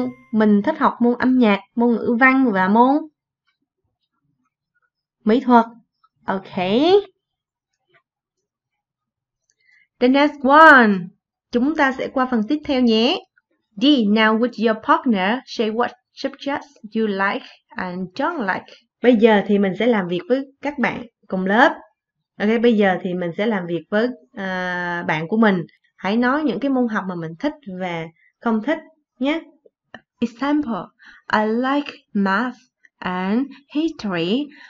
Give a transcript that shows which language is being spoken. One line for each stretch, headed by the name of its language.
Vietnamese: Mình thích học môn âm nhạc, môn ngữ văn và môn mỹ thuật. Ok.
English: The next one.
Vietnamese: Chúng ta sẽ qua phần tiếp theo nhé. D.
English: Now would your partner say what subjects you like and don't like?
Vietnamese: Bây giờ thì mình sẽ làm việc với các bạn cùng lớp. Ok, bây giờ thì mình sẽ làm việc với bạn của mình. Hãy nói những cái môn học mà mình thích và không thích nhé.
English: Example, I like math and history.